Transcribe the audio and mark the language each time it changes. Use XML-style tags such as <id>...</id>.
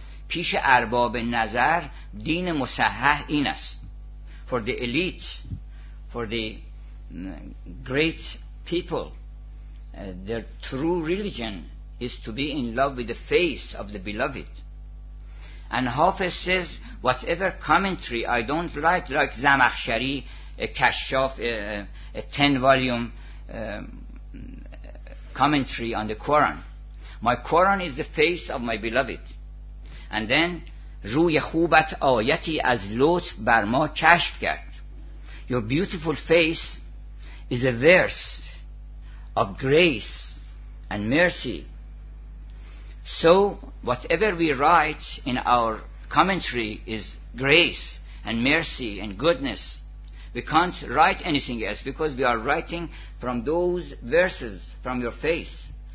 <fa>پیش ارباب نظر دین مصحح این است.</fa> <en>For the elite, for the great people, their true religion is to be in love with the face of the beloved. And Hafez says, whatever commentary I don't like Zamakhshari, a Kashaf, a 10-volume commentary on the Quran. My Quran is the face of my beloved. And then,</en> <fa>روی خوبت آیتی از لطف بر ما کشف کرد.</fa> <en>Your beautiful face is a verse of grace and mercy. So whatever we write in our commentary is grace and mercy and goodness. We can't write anything else because we are writing from those verses, from your face.</en>